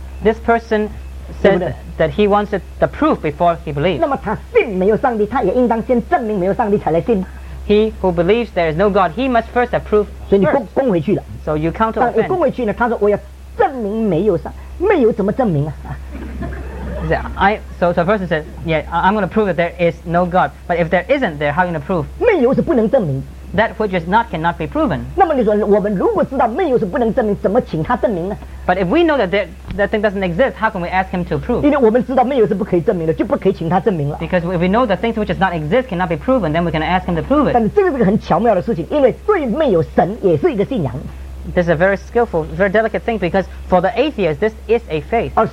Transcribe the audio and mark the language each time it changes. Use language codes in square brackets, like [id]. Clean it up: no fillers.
[en] This person said that he wants the proof before he believes. [zh] 那么他信没有上帝，他也应当先证明没有上帝才来信。 [en] He who believes there is no God, he must first approve. [zh] 所以你攻回去了。 [en] So you counter offend. [zh] 攻回去呢？他说我要证明没有上，没有怎么证明啊？ [en] So the person said, "Yeah, I'm going to prove that there is no God. But if there isn't, there how are you going to prove?" [zh] 没有是不能证明。 [en] That which is not cannot be proven. [zh] 那么你说，我们如果知道没有是不能证明，怎么请他证明呢？ [en] But if we know that that thing doesn't exist, how can we ask him to prove? [zh] 因为我们知道没有是不可以证明的，就不可以请他证明了。 [en] Because if we know the things which does not exist cannot be proven, then we can ask him to prove it. [zh] 但是这个是个很巧妙的事情，因为对没有神也是一个信仰。 [en] This is a very skillful, very delicate thing because for the atheist, this is a faith.